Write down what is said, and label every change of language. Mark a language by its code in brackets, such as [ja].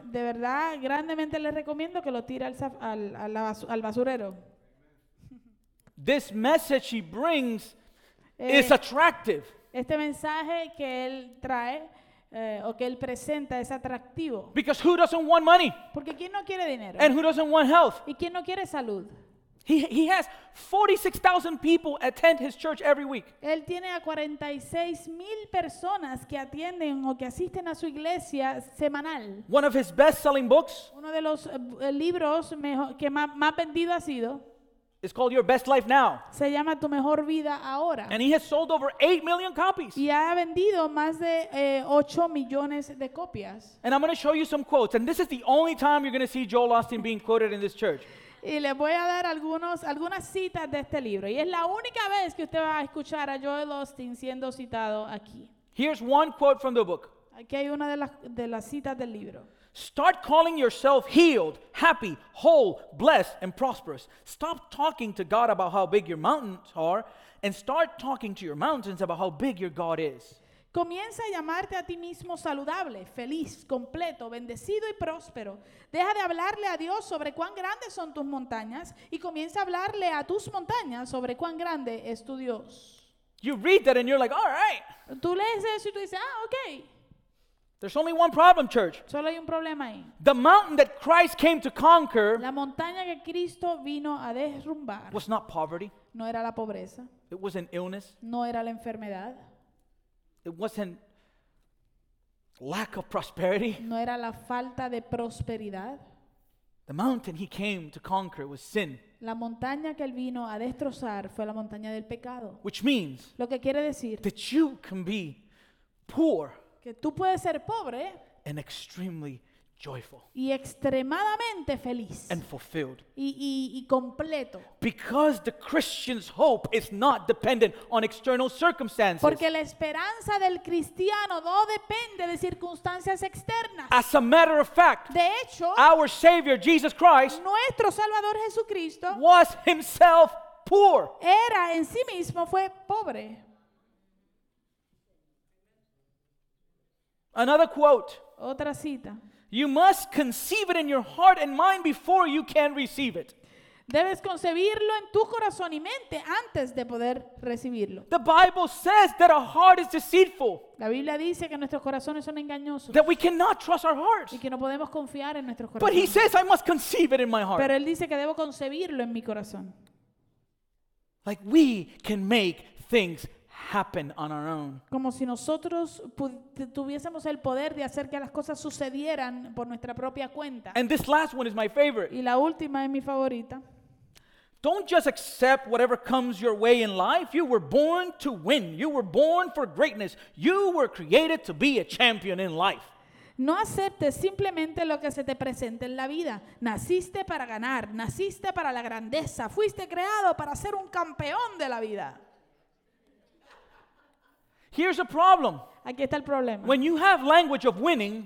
[es] De verdad, grandemente les recomiendo que lo tire al basurero. [en] This message he brings is attractive. [es] Este mensaje que él trae o que él presenta es atractivo. [en] Because who doesn't want money? [es] Porque ¿quién no quiere dinero? [en] And who doesn't want health? [es] ¿Y quién no quiere salud? [en] He has 46,000 people attend his church every week. [es] Él tiene a 46,000 personas que atienden o que asisten a su iglesia semanal. [en] One of his best-selling books. [es] Uno de los libros que más vendido ha sido. [en] It's called Your Best Life Now. [es] Se llama Tu Mejor Vida Ahora. [en] And he has sold over 8 million copies. [es] Y ha vendido más de 8 millones de copias. [en] And I'm going to show you some quotes. And this is the only time you're going to see Joel Osteen being quoted in this church. [es] Y le voy a dar algunas citas de este libro. Y es la única vez que usted va a escuchar a Joel Osteen siendo citado aquí. [en] Here's one quote from the book. [es] Aquí hay una de las citas del libro. [en] Start calling yourself healed, happy, whole, blessed, and prosperous. Stop talking to God about how big your mountains are, and start talking to your mountains about how big your God is. [es] Comienza a llamarte a ti mismo saludable, feliz, completo, bendecido y próspero. Deja de hablarle a Dios sobre cuán grandes son tus montañas, y comienza a hablarle a tus montañas sobre cuán grande es tu Dios. [en] You read that and you're like, all right. [es] Tú lees eso y tú dices, okay. [en] There's only one problem, church. [es] Solo hay un problema ahí. [en] The mountain that Christ came to conquer, [es] la montaña que Cristo vino a derrumbar, [en] was not poverty. [es] No era la pobreza. [en] It wasn't illness. [es] No era la enfermedad. [en] It wasn't lack of prosperity. [es] No era la falta de prosperidad. [en] The mountain he came to conquer was sin. [es] La montaña que él vino a destrozar fue la montaña del pecado. [en] Which means, [es] lo que quiere decir, [en] that you can be poor. [es] Que tú puedes ser pobre [en] and extremely joyful [es] y extremadamente feliz [en] and fulfilled [es] y completo. [en] Because the Christian's hope is not dependent on external circumstances. [es] Porque la esperanza del cristiano no depende de circunstancias externas. [en] As a matter of fact, [es] de hecho, [en] our Savior Jesus Christ, [es] nuestro Salvador Jesucristo, [en] was himself poor. [es] Era en sí mismo fue pobre. [en] Another quote. [es] Otra cita. [en] You must conceive it in your heart and mind before you can receive it. [es] Debes concebirlo en tu corazón y mente antes de poder recibirlo. [en] The Bible says that our heart is deceitful. [es] La Biblia dice que nuestros corazones son engañosos. [en] That we cannot trust our hearts. [es] Y que no podemos confiar en nuestros corazones. [en] But he says I must conceive it in my heart. [es] Pero él dice que debo concebirlo en mi corazón. [en] Like we can make things happen on our own. [es] Como si nosotros tuviésemos el poder de hacer que las cosas sucedieran por nuestra propia cuenta. [en] And this last one is my favorite. [es] Y la última es mi favorita. [en] Don't just accept whatever comes your way in life. You were born to win. You were born for greatness. You were created to be a champion in life. [es] No aceptes simplemente lo que se te presente en la vida. Naciste para ganar. Naciste para la grandeza. Fuiste creado para ser un campeón de la vida. [en] Here's a problem. [es] Aquí está el problema. [en] When you have language of winning,